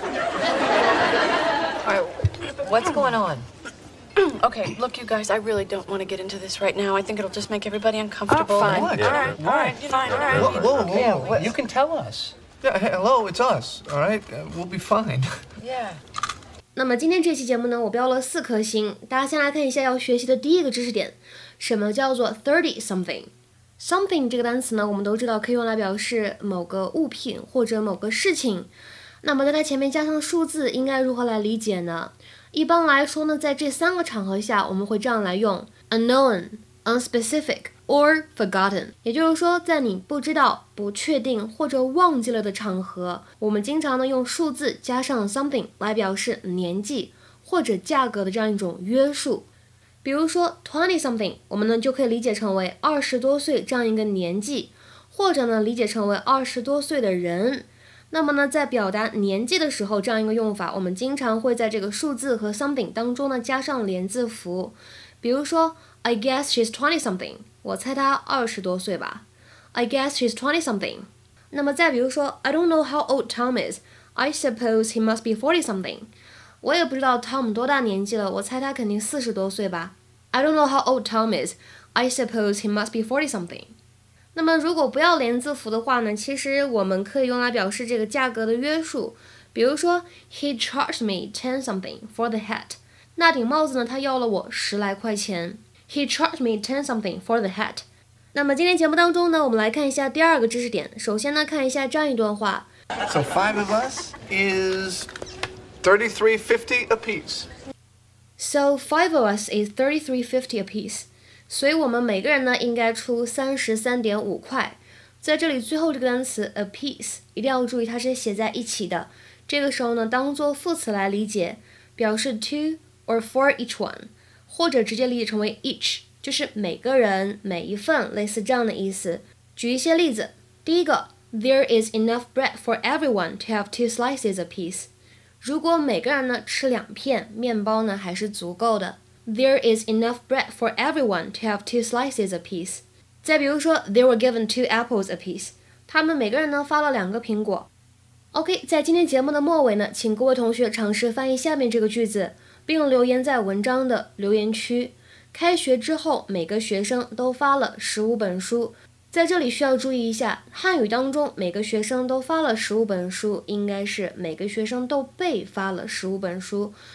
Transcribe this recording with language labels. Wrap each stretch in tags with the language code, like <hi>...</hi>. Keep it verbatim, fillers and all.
<en>All right, what's going on? Okay, look, you guys, I really don't want to get into this right now. I think it'll just make everybody uncomfortable. Oh, fine. What? All right, all right, fine, all right. Whoa, whoa, whoa. Yeah, what? You can tell us. Yeah, hello, it's us, all right? Uh, we'll be fine. Yeah.</en> <zh>那么今天这期节目呢，我标了四颗星。大家先来看一下要学习的第一个知识点，什么叫做 thirty something？ Something 这个单词呢，我们都知道可以用来表示某个物品或者某个事情。那么在它前面加上数字，应该如何来理解呢？一般来说呢，在这三个场合下，我们会这样来用</zh> <en>unknown, unspecific or forgotten。</en> <zh>也就是说，在你不知道、不确定或者忘记了的场合，我们经常呢用数字加上 something 来表示年纪或者价格的这样一种约束。比如说 twenty something， 我们呢就可以理解成为二十多岁这样一个年纪，或者呢理解成为二十多岁的人。那么呢，在表达年纪的时候，这样一个用法，我们经常会在这个数字和 something 当中呢加上连字符。比如说 ，</zh> <en>I guess she's twenty something，</en> <zh>我猜她二十多岁吧。</zh> <en>I guess she's twenty something。</en> <zh>那么再比如说</zh> <en>，I don't know how old Tom is. I suppose he must be forty something。</en> <zh>我也不知道 Tom 多大年纪了，我猜他肯定四十多岁吧。</zh> <en>I don't know how old Tom is. I suppose he must be forty something。</en> <zh>那么如果不要连字符的话呢，其实我们可以用来表示这个价格的约束。比如说</zh> <en>He charged me ten something for the hat，</en> <zh>那顶帽子呢他要了我十来块钱。</zh> <en>He charged me ten something for the hat。</en> <zh>那么今天节目当中呢，我们来看一下第二个知识点。首先呢看一下这样一段话，</zh> <en>So five of us is thirty-three fifty apiece. So five of us is thirty-three fifty apiece，</en> <zh>所以我们每个人呢应该出 三十三点五 块。在这里最后这个单词 apiece 一定要注意它是写在一起的，这个时候呢当做副词来理解，表示</zh> <en>to or for each one，</en> <zh>或者直接理解成为 each， 就是每个人每一份，类似这样的意思。举一些例子，第一个</zh> <en>There is enough bread for everyone to have two slices apiece，</en> <zh>如果每个人呢吃两片面包呢还是足够的。</zh> <en>There is enough bread for everyone to have two slices apiece.</en> <zh>再比如说</zh> <en>they were given two apples apiece.</en> <zh>他们每个人呢发了两个苹果。OK， 在今天节目的末尾呢，请各位同学尝试翻译下面这个句子，并留言在文章的留言区。开学之后，每个学生都发了十五本书，在这里需要注意一下，汉语当中每个学生都发了十五本书，应该是每个学生都被发了十五本书。</zh>